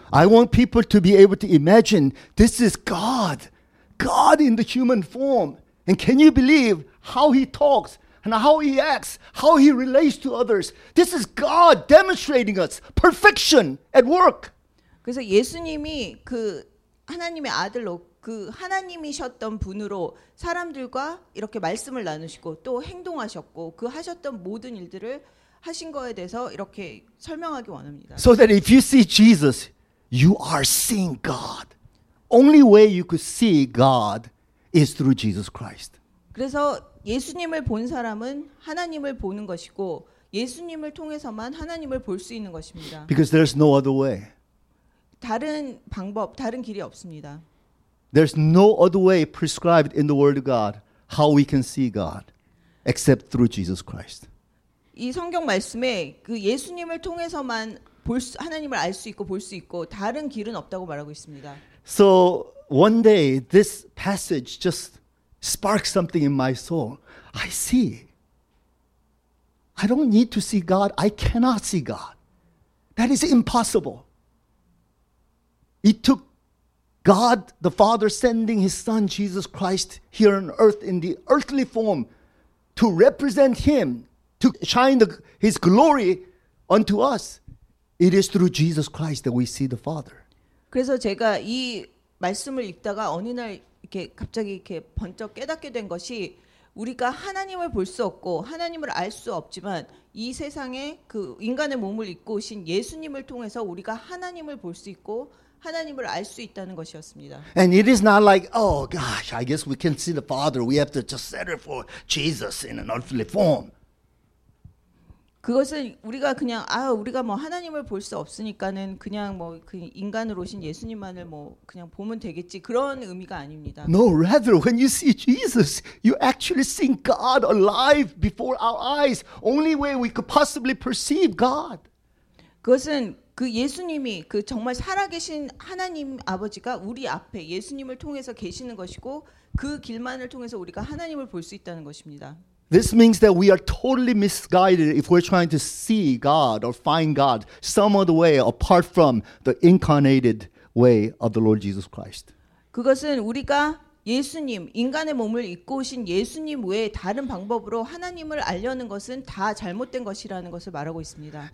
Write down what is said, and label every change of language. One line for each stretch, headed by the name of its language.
English: I want people to be able to imagine this is God. God in the human form. And can you believe how he talks and how he acts, how he relates to others? This is God demonstrating us perfection at work.
Korean: 그래서 예수님이 그 하나님의 아들로 그 하나님이셨던 분으로 사람들과 이렇게 말씀을 나누시고 또 행동하셨고 그 하셨던 모든 일들을 하신 거에 대해서 이렇게 설명하기 원합니다.
English: So that if you see Jesus, you are seeing God. Only way you could see God is through Jesus Christ.
Korean: 그래서 예수님을 본 사람은 하나님을 보는 것이고 예수님을 통해서만 하나님을 볼 수 있는 것입니다.
English: Because there's no other way.
Korean: 다른 방법, 다른 길이 없습니다.
English: There's no other way prescribed in the Word of God how we can see God except through Jesus Christ.
Korean: 이 성경 말씀에 그 예수님을 통해서만 볼 수, 하나님을 알 수 있고 볼 수 있고 다른 길은 없다고 말하고 있습니다.
English: So one day this passage just sparked something in my soul. I see. I don't need to see God. I cannot see God. That is impossible. It took God, the Father, sending His Son, Jesus Christ, here on earth in the earthly form to represent Him, to shine His glory unto us. It is through Jesus Christ that we see the Father.
Korean: 그래서 제가 이 말씀을 읽다가 어느 날 이렇게 갑자기 이렇게 번쩍 깨닫게 된 것이 우리가 하나님을 볼 수 없고 하나님을 알 수 없지만 이 세상에 그 인간의 몸을 입고 오신 예수님을 통해서 우리가 하나님을 볼 수 있고 하나님을 알 수 있다는 것이었습니다.
English: And it is not like, oh gosh, I guess we can see the Father. We have to just settle for Jesus in an earthly form.
Korean: 그것은 우리가 그냥 아 우리가 뭐 하나님을 볼 수 없으니까는 그냥 뭐 그 인간으로 오신 예수님만을 뭐 그냥 보면 되겠지 그런 의미가 아닙니다.
English: No, rather when you see Jesus, you actually see God alive before our eyes. Only way we could possibly perceive God.
Korean: 그것은 그 예수님이 그 정말 살아계신 하나님 아버지가 우리 앞에 예수님을 통해서 계시는 것이고 그 길만을 통해서 우리가 하나님을 볼 수 있다는 것입니다.
English: This means that we are totally misguided if we're trying to see God or find God some other way apart from the incarnated way of the Lord Jesus Christ.
Korean: 그것은 우리가 예수님, 인간의 몸을 입고 오신 예수님 외에 다른 방법으로 하나님을 알려는 것은 다 잘못된 것이라는 것을 말하고 있습니다.